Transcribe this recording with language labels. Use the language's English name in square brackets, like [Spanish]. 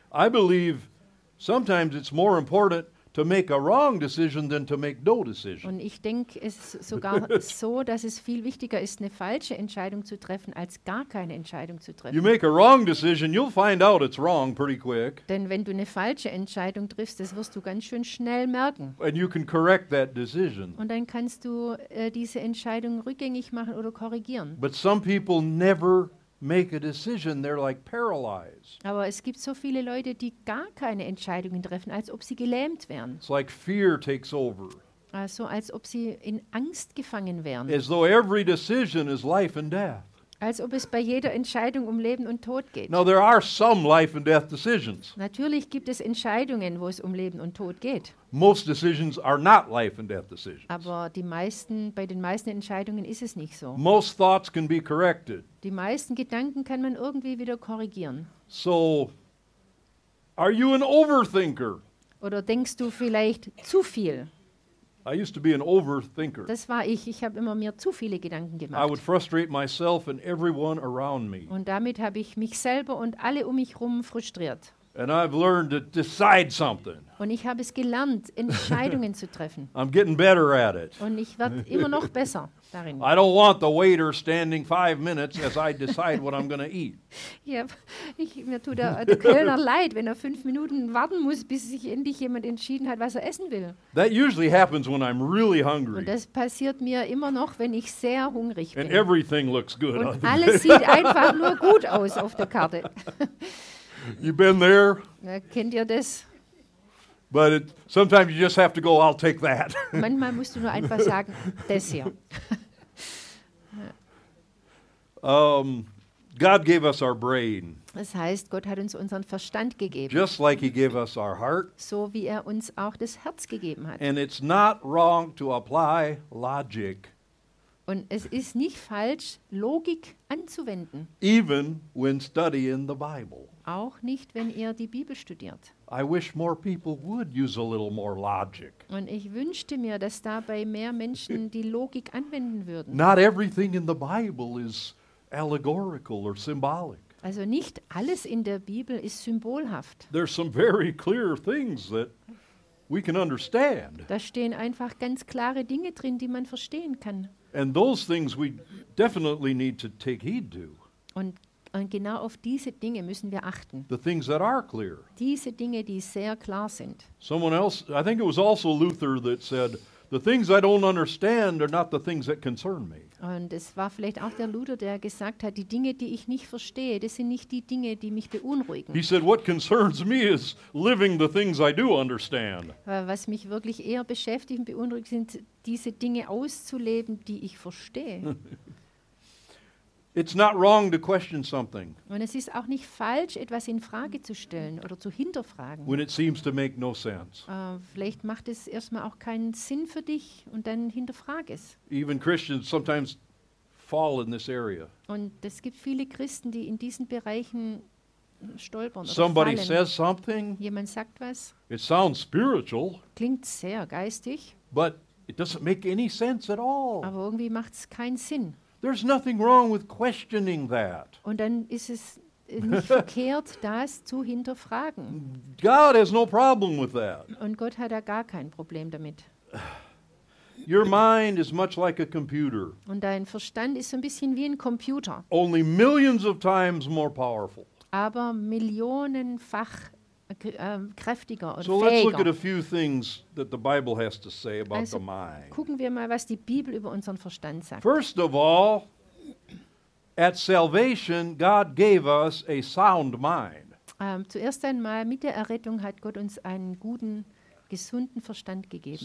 [English] I believe sometimes it's more important to make a wrong decision than to make no decision. [German] Und ich denke, es ist sogar so, dass es viel wichtiger ist, eine falsche Entscheidung zu treffen, als gar keine Entscheidung zu treffen. [English] You make a wrong decision, you'll find out it's wrong pretty quick. [German] Denn wenn du eine falsche Entscheidung triffst, das wirst du ganz schön schnell merken. [English] And you can correct that decision. [German] Und dann kannst du diese Entscheidung rückgängig machen oder korrigieren. [English] But some people never make a decision, they're like paralyzed. [German] Aber es gibt so viele Leute, die gar keine Entscheidungen treffen, als ob sie gelähmt wären. [English] It's like fear takes over. [German] Also als ob sie in Angst gefangen wären. [English] As though every decision is life and death. [German] Als ob es bei jeder Entscheidung um Leben und Tod geht. [English] Now there are some life and death decisions. [German] Natürlich gibt es Entscheidungen, wo es um Leben und Tod geht. [English] Most decisions are not life and death decisions. [German] Aber die meisten, bei den meisten Entscheidungen ist es nicht so. [English] Most thoughts can be corrected. [German] Die meisten Gedanken kann man irgendwie wieder korrigieren. [English] So, are you an overthinker? [German] Oder denkst du vielleicht zu viel? [English] I used to be an overthinker. [German] Das war ich. Ich habe immer mir zu viele Gedanken gemacht. [English] I would frustrate myself and everyone around me. [German] Und damit habe ich mich selber und alle um mich herum frustriert. [English] And I've learned to decide something. [German] Und ich habe es gelernt, Entscheidungen zu treffen. [English] I'm getting better at it. [German] Und ich werde immer noch besser darin. [English] I don't want the waiter standing 5 minutes as I decide what I'm going to eat. Yep. [German] Mir tut der Kellner leid, wenn 5 Minuten warten muss, bis sich endlich jemand entschieden hat, was essen will. [English] That usually happens when I'm really hungry. [German] Und das passiert mir immer noch, wenn ich sehr hungrig bin. [English] And everything looks good. [German] Und alles sieht einfach nur gut aus auf der Karte. [English] You been there? [German] Kennt ihr das? [English] But sometimes you just have to go, I'll take that. [German] Manchmal musst du nur einfach sagen, das hier. [English] God gave us our brain. [German] Das heißt, Gott hat uns unseren Verstand gegeben. [English] Just like he gave us our heart. [German] So wie er uns auch das Herz gegeben hat. [English] And it's not wrong to apply logic. [German] Und es ist nicht falsch, Logik anzuwenden. [English] Even when studying the Bible. [German] Auch nicht, wenn ihr die Bibel studiert. [English] I wish more people would use a little more logic. [German] Und ich wünschte mir, dass dabei mehr Menschen die Logik anwenden würden. [English] Not everything in the Bible is allegorical or symbolic. [German] Also nicht alles in der Bibel ist symbolhaft. [English] There's some very clear things that we can understand. [German] Da stehen einfach ganz klare Dinge drin, die man verstehen kann. [English] And those things we definitely need to take heed to. [German] Und genau auf diese Dinge müssen wir achten. [English] The things that are clear. [German] Diese Dinge, die sehr klar sind. [English] Someone else, I think it was also Luther that said, the things I don't understand are not the things that concern me. [German] Und es war vielleicht auch der Luther, der gesagt hat, die Dinge, die ich nicht verstehe, das sind nicht die Dinge, die mich beunruhigen. [English] He said, what concerns me is living the things I do understand. [German] Was mich wirklich eher beschäftigt und beunruhigt, sind diese Dinge auszuleben, die ich verstehe. [English] It's not wrong to question something. [German] Und es ist auch nicht falsch, etwas in Frage zu stellen oder zu hinterfragen. [English] When it seems to make no sense. [German] Vielleicht macht es erstmal auch keinen Sinn für dich und dann hinterfrag es. [English] Even Christians sometimes fall in this area. [German] Und es gibt viele Christen, die in diesen Bereichen stolpern oder [English] Somebody [German] fallen. [English] Says something. [German] Jemand sagt was. [English] It sounds spiritual. [German] Klingt sehr geistig. [English] But it doesn't make any sense at all. [German] Aber irgendwie macht's keinen Sinn. [English] There's nothing wrong with questioning that. [German] Und dann ist es nicht verkehrt, das zu hinterfragen. [English] God has no problem with that. [German] Und Gott hat da gar kein Problem damit. [English] Your mind is much like a computer. [German] Und dein Verstand ist so ein bisschen wie ein Computer. [English] Only millions of times more powerful. [German] Aber millionenfach kräftiger und so fähiger. [English] So let's look at a few things that the Bible has to say about the mind. [German] Gucken wir mal, was die Bibel über unseren Verstand sagt. [English] First of all, at salvation, God gave us a sound mind. [German] Zuerst einmal, mit der Errettung hat Gott uns einen guten, gesunden Verstand gegeben.